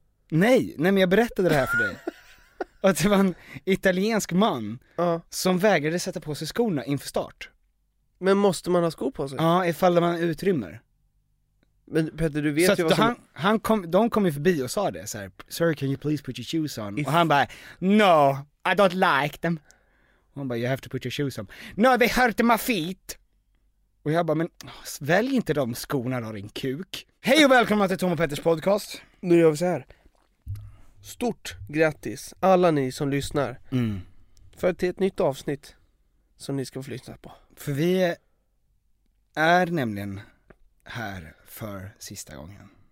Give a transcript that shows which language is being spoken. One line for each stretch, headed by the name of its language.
Swedish: Nej, men jag berättade det här för dig. Att det var en italiensk man som vägrade sätta på sig skorna inför start. Men måste man ha skor på sig? Ja, ifall man utrymmer. Men Petter, du vet så ju vad som... De kom ju förbi och sa det så här:
English: "Sir, can you please put your shoes on?"
Swedish: Och han bara,
English: "No, I don't like them."
Swedish: Hon bara,
English: "You have to put your shoes on." "No, they hurt my feet."
Swedish: Och jag bara, men välj inte de skorna då, din kuk. Hej och välkomna till Tom och Petters podcast. Nu gör vi så här. Stort grattis alla ni som lyssnar. Mm. För till ett nytt avsnitt som ni ska få lyssna på. För vi är nämligen här för sista gången.